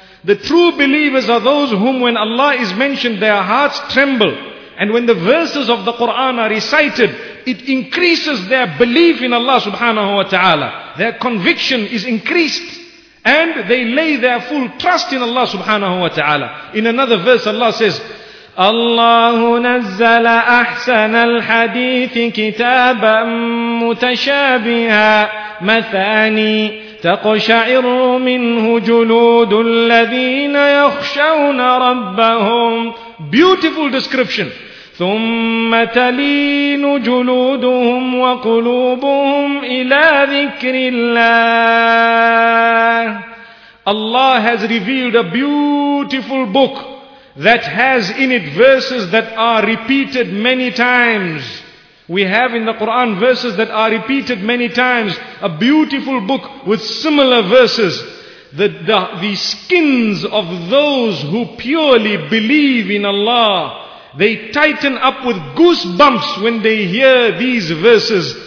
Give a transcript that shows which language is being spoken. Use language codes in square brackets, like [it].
[en] The true believers are those whom when Allah is mentioned, their hearts tremble. And when the verses of the Quran are recited, it increases their belief in Allah subhanahu wa ta'ala. Their conviction is increased. And they lay their full trust in Allah subhanahu wa ta'ala. In another verse, Allah says, [ar] الله نزل أحسن الحديث كتابا متشابها مثاني تقشعر منه جلود الذين يخشون ربهم. [en] Beautiful description. [ar] ثم تلين جلودهم وقلوبهم إلى ذكر الله. [en] Allah has revealed a beautiful book that has in it verses that are repeated many times. We have in the Quran verses that are repeated many times. A beautiful book with similar verses. The skins of those who purely believe in Allah, they tighten up with goosebumps when they hear these verses.